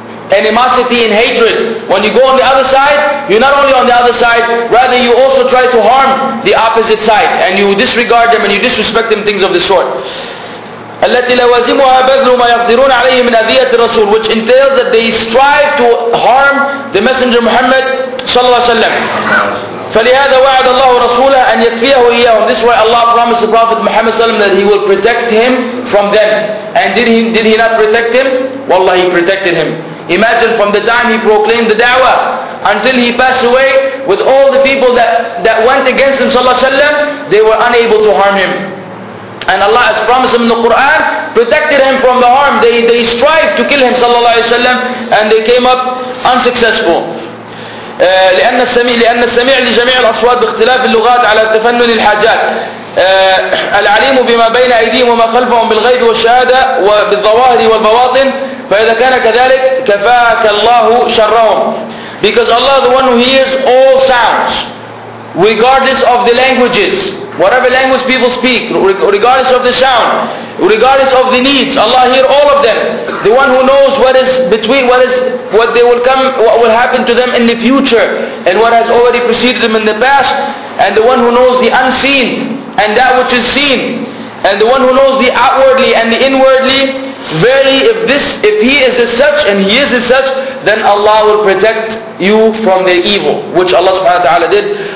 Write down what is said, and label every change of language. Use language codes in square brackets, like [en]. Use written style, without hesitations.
[en] Animosity and hatred. When you go on the other side, you're not only on the other side, rather you also try to harm the opposite side, and you disregard them and you disrespect them, things of the sort. [ar] الَّتِي لَوَازِمُهَا بَذْلُ مَا يَقْدِرُونَ عَلَيْهِ مِنْ أَذِيَةِ الرَّسُولِ. [en] Which entails that they strive to harm the Messenger Muhammad صلى الله عليه وسلم. [ar] فلهذا وعد الله رسوله أن يكفيه إياهم. [en] This is why Allah promised the Prophet Muhammad صلى الله عليه وسلم that He will protect him from them. And did he not protect him? Wallah, He protected him. Imagine, from the time he proclaimed the da'wah until he passed away, with all the people that went against him صلى الله عليه وسلم, they were unable to harm him. And Allah has promised him in the Quran, protected him from the harm. They strived to kill him صلى الله عليه وسلم, and they came up unsuccessful. [ar] لأن السميع لجميع الأصوات باختلاف اللغات على تفنن الحاجات العليم بما بين أيديهم وما خلفهم بالغيب والشهادة وبالظواهر والبواطن فإذا كان كذلك كفاك الله شرهم. [en] Because Allah, the one who hears all sounds regardless of the languages, whatever language people speak, regardless of the sound, regardless of the needs, Allah hear all of them. The one who knows what is between, what will happen to them in the future, and what has already preceded them in the past, and the one who knows the unseen and that which is seen, and the one who knows the outwardly and the inwardly, verily if he is as such and he is as such, then Allah will protect you from the evil, which Allah subhanahu wa ta'ala did.